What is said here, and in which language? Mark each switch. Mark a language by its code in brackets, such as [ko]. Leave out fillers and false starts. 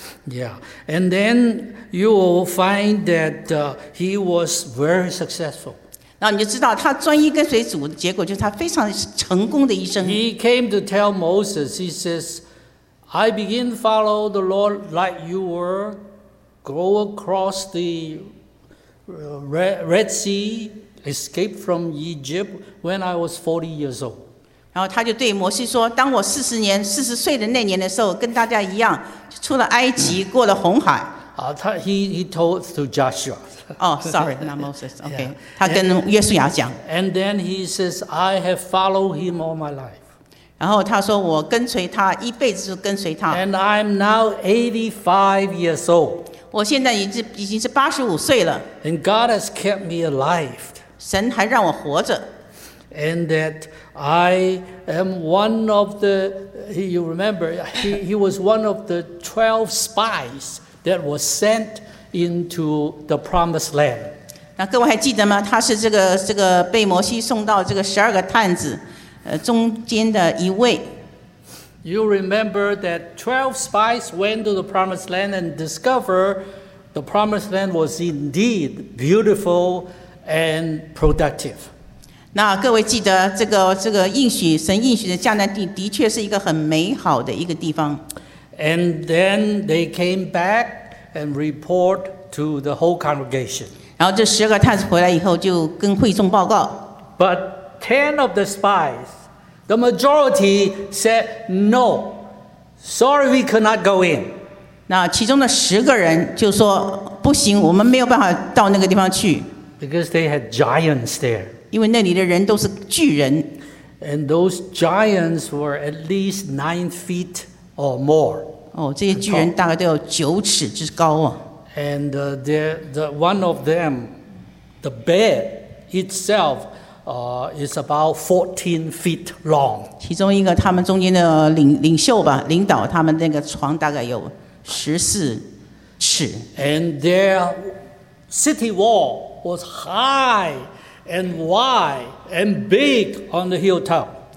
[en] Yeah, and then you will find that he was very successful. [zh] 那你就知道他专一跟随主，结果就是他非常成功的一生。 [en] He came to tell Moses. He says. I begin to follow the Lord like you were, go across the Red Sea, escape from Egypt when I was 40 years old. [zh] 然后他就对摩西说，当我40岁的那年的时候，跟大家一样，就出了埃及，过了红海。 [en] He told to Joshua. Oh, sorry, not Moses. Okay. Yeah. [zh] 他跟约书亚讲。 [en] And then he says, I have followed him all my life. [zh] 然后他说我跟随他一辈子就跟随他。 [en] And I'm now 85 years old. [zh] 我现在已经是85岁了。 [en] And God has kept me alive. [zh] 神还让我活着。 [en] And that I am one of the, you remember, he was one of the 12 spies that was sent into the promised land. [zh] 那各位还记得吗？他是这个被摩西送到这个12个探子。中间的一位。 [en] You remember that 12 spies went to the promised land and discovered the promised land was indeed beautiful and productive. [zh] 那各位记得这个应许，神应许的迦南地的确是一个很美好的一个地方。 [en] And then they came back and report to the whole congregation. [zh] 然后这十个探子回来以后就跟会众报告。 [en] But 10 of the spies, the majority said no. Sorry, we could not go in. [zh] 那其中的十个人就说不行，我们没有办法到那个地方去。 [en] Because they had giants there. [zh] 因为那里的人都是巨人。 [en] And those giants were at least 9 feet or more. [zh] 哦，这些巨人大概都有九尺之高啊。 [en] And the one of them, the bed itself, is about 14 feet long. [zh] 其中一个他们中间的领袖吧，领导他们那个床大概有十四尺。 [en] And their city wall was high and wide and big on the hilltop.